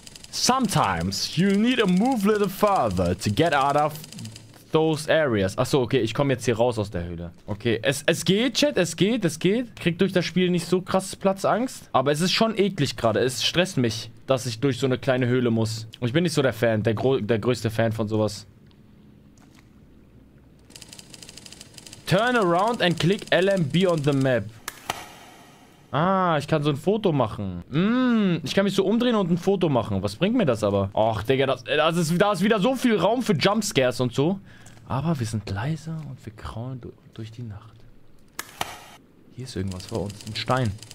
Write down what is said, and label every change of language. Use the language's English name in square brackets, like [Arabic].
[English] Sometimes you'll need to move a little further to get out of... those areas. [German] Achso, okay, ich komme jetzt hier raus aus der Höhle. Okay, es geht, Chat, es geht. Krieg durch das Spiel nicht so krass Platzangst. Aber es ist schon eklig gerade. Es stresst mich, dass ich durch so eine kleine Höhle muss. Und ich bin nicht so der Fan, der größte Fan von sowas. [English] Turn around and click LMB on the map. [German] Ah, ich kann so ein Foto machen. Ich kann mich so umdrehen und ein Foto machen. Was bringt mir das aber? Och, Digga, da ist wieder so viel Raum für Jumpscares und so. Aber wir sind leise und wir krauen durch die Nacht. Hier ist irgendwas vor uns. Ein Stein.